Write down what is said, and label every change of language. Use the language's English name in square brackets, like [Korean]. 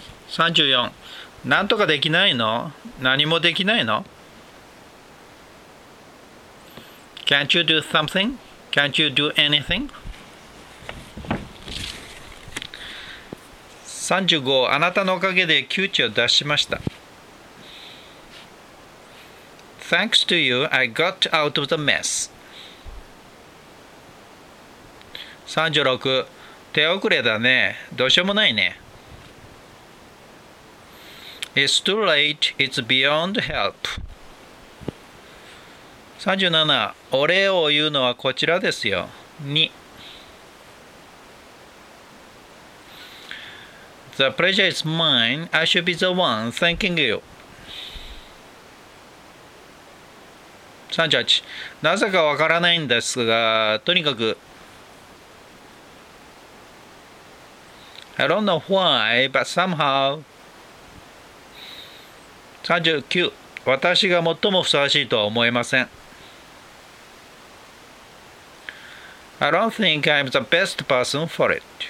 [Japanese] 34、なんとかできないの？何もできないの？ [English] Can't you do something? Can't you do anything? [Japanese] 35、あなたのおかげで窮地を脱しました。 [English] Thanks to you, I got out of the mess. [Japanese] 36、手遅れだね。どうしようもないね。 [English] It's too late. It's beyond help. [Japanese] 37、お礼を言うのはこちらですよ。 2。 [English] The pleasure is mine. I should be the one thanking you. [Japanese] 38、なぜかわからないんですが、とにかく。 [English] I don't know why, but somehow. [Japanese] 39、私が最もふさわしいとは思えません。 [English] I don't think I'm the best person for it.